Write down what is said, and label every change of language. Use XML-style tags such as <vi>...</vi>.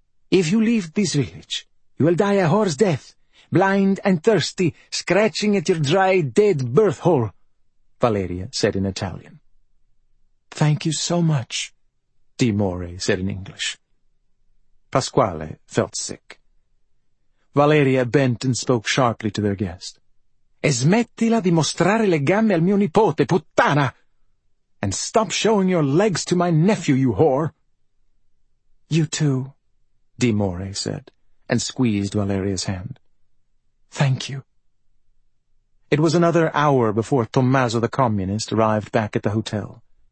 <en>"If you leave this village, you will die a whore's death, blind and thirsty, scratching at your dry, dead birth hole," Valeria said in Italian. "Thank you so much," Dee Morey said in English. Pasquale felt sick. Valeria bent and spoke sharply to their guest.</en> <it>"E smettila di mostrare le gambe al mio nipote, puttana!</it> <en>And stop showing your legs to my nephew, you whore!" "You too," Dee Morey said, and squeezed Valeria's hand. "Thank you." It was another hour before Tommaso the Communist arrived back at the hotel.</en>